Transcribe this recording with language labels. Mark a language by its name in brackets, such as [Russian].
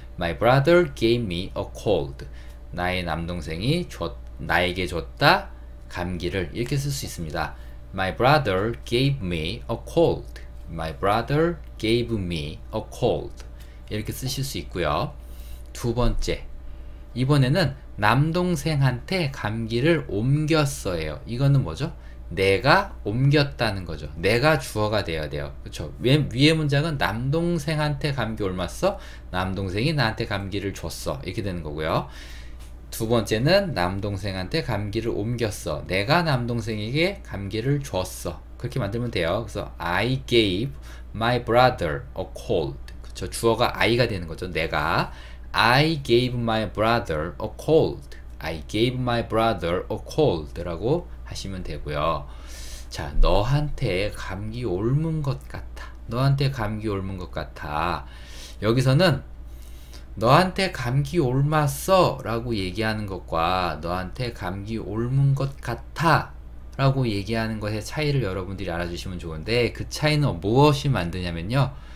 [English] My brother gave me a cold, [Korean] 나의 남동생이 나에게 줬다, 감기를. 이렇게 쓸수 있습니다. [English] My brother gave me a cold, my brother gave me a cold. [Korean] 이렇게 쓰실 수 있고요. 두 번째, 이번에는 남동생한테 감기를 옮겼어요. 이거는 뭐죠? 내가 옮겼다는 거죠. 내가 주어가 되어야 돼요. 그렇죠? 위에 문장은 남동생한테 감기 옮았어. 남동생이 나한테 감기를 줬어. 이렇게 되는 거고요. 두 번째는 남동생한테 감기를 옮겼어. 내가 남동생에게 감기를 줬어. 그렇게 만들면 돼요. 그래서 [English] I gave my brother a cold. [Korean] 저 주어가 I가 되는 거죠. 내가 [English] I gave my brother a cold. I gave my brother a cold [Korean] 라고 하시면 되고요. 자, 너한테 감기 옮은 것 같아. 너한테 감기 옮은 것 같아. 여기서는 너한테 감기 옮았어라고 얘기하는 것과 너한테 감기 옮은 것 같아라고 얘기하는 것의 차이를 여러분들이 알아주시면 좋은데 그 차이는 무엇이 만드냐면요.